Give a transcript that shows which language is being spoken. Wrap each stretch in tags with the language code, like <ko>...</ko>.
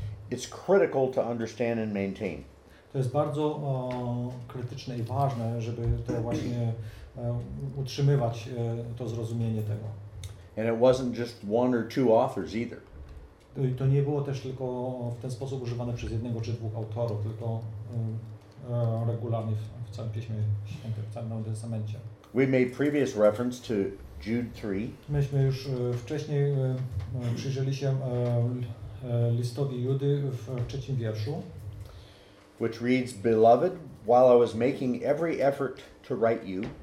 <en>It's critical to understand and maintain.</en> <pl>To jest bardzo krytyczne i ważne, żeby to właśnie utrzymywać to zrozumienie tego.</pl> <en>And it wasn't just one or two authors either.</en> <pl>To nie było też tylko w ten sposób używane przez jednego czy dwóch autorów, tylko regularnie w całym Piśmie Świętym, w całym Nowym Testamencie.</pl> <en>We made previous reference to Jude 3.</en> <pl>Myśmy już wcześniej przyjrzeli się listowi Judy w trzecim wierszu.</pl> <en>Which reads, Beloved, while I was making every effort to write you,</en>